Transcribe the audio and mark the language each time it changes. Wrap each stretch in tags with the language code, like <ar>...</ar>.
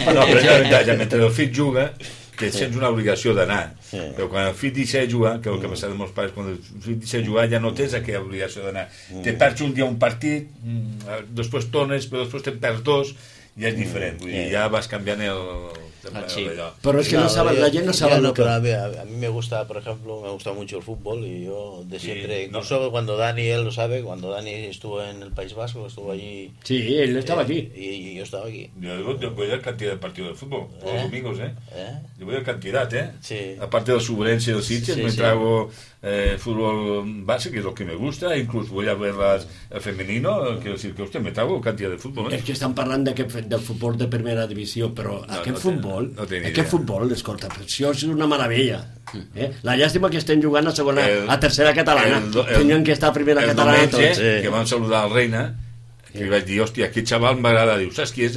<ca>partits. No, però és la veritat, mentre el fill juga, que sents una obligació d'anar. Sí. Però quan el fill deixa de jugar, que el que passa amb els pares, quan el fill deixa de jugar ja no tens aquella obligació d'anar. Te perds un dia un partit, després tornes, però després te'n perds dos, i és diferent. Vull dir, ja vas canviant el...</ca> <es>Pero es que no saben, la gente no sabe lo que... A mí me gusta, por ejemplo, me gusta mucho el fútbol y yo de siempre, incluso cuando Dani, él lo sabe, cuando Dani estuvo en el País Vasco, estuvo allí... Sí, él estaba allí. Y yo estaba aquí. Yo voy a cantidad de partidos de fútbol, los domingos, Yo voy a cantidad, Sí. Aparte del Sobrense y del Sitges, me trago fútbol base, que es lo que me gusta, incluso voy a ver las femenino, quiero decir que, hostia, me trago cantidad de fútbol, Es que están</es> <ca>parlant del fútbol de primera divisió, però aquest fútbol... Aquest futbol, escolta, això és una meravella. La llàstima que estem jugant a segona, a tercera catalana. Tenien que estar a primera catalana tots. Que vam saludar el Reina, que li vaig dir, hòstia, aquest xaval m'agrada. Diu, saps qui és?</ca>